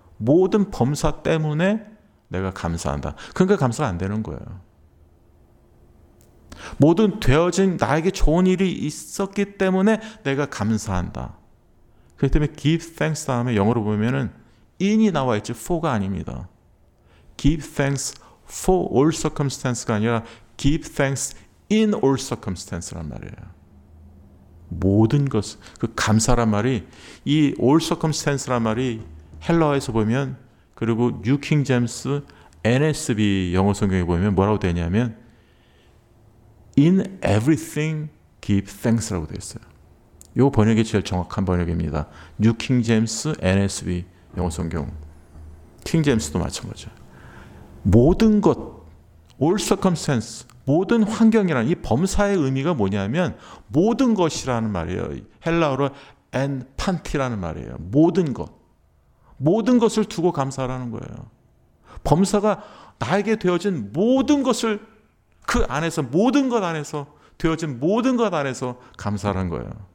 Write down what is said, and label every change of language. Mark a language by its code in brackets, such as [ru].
[ko] 모든 범사 때문에 내가 감사한다. 그러니까 감사가 안 되는 거예요. 모든 되어진 나에게 좋은 일이 있었기 때문에 내가 감사한다. 그렇기 때문에 [en] give thanks [ko] 다음에 영어로 보면은 in이 나와 있지 for가 아닙니다. [en] give thanks for all circumstances가 [ko] 아니라 [en] give thanks in all circumstances란 [ko] 말이에요. 모든 것, 그 감사란 말이 이 all circumstances란 말이 헬라어에서 보면 그리고 New King James NSB 영어 성경에 보면 뭐라고 되냐면 [en] in everything give thanks [ko] 라고 되어 있어요. 요 번역이 제일 정확한 번역입니다. New King James NSB 영어 성경. King James도 마찬가지예요. 모든 것, [en] all circumstances, [ko] 모든 환경이라는 이 범사의 의미가 뭐냐면 모든 것이라는 말이에요. 헬라어로 en panti라는 말이에요. 모든 것. 모든 것을 두고 감사하라는 거예요. 범사가 나에게 되어진 모든 것을 그 안에서 모든 것 안에서 되어진 모든 것 안에서 감사하라는 거예요.